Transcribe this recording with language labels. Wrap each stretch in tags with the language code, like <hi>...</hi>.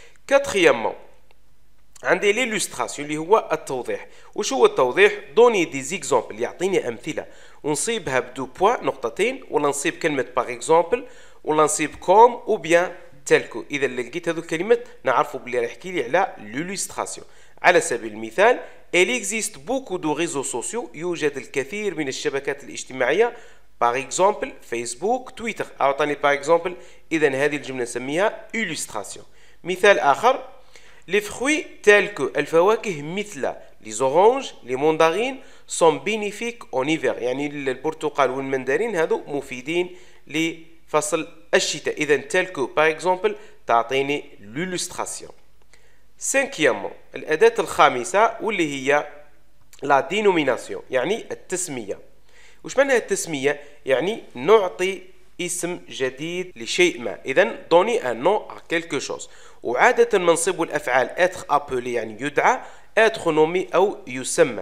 <ar>كاتريامون عندي ليلوستراسيون اللي هو التوضيح. وش هو التوضيح؟ دوني دي زيكزومبل يعطيني امثله ونصيبها بدو بوا نقطتين, ولا نصيب كلمه باغ اكزومبل, ولا نصيب كوم او بيان تلكو. اذا لقيت هذو الكلمات نعرفوا بلي راه يحكي لي على ليلوستراسيون.</ar> <fr>على سبيل المثال il existe beaucoup de réseaux sociaux</fr> <ar>يوجد الكثير من الشبكات الاجتماعيه</ar> <fr>par exemple facebook twitter</fr> <ar>اعطاني</ar> <fr>par exemple.</fr> <ar>اذا هذه الجمله نسميها illustration. مثال اخر</ar> <fr>les fruits tels que</fr> <ar>الفواكه مثل</ar> <fr>les oranges les mandarines sont bénéfiques en hiver</fr> <ar>يعني البرتقال والمندرين هذو مفيدين لفصل الشتاء. اذا</ar> <fr>tels que par exemple</fr> <ar>تعطيني l'illustration. سانكيامون الأداة الخامسة واللي هي لا دينوميناسيون يعني التسمية. وش معنى التسمية؟ يعني نعطي اسم جديد لشيء ما. إذا دوني أن نو ا كيلكو شوز, وعادة ما نصيبوا الأفعال اتر أبولي يعني يدعى, اتر نومي أو يسمى.</ar>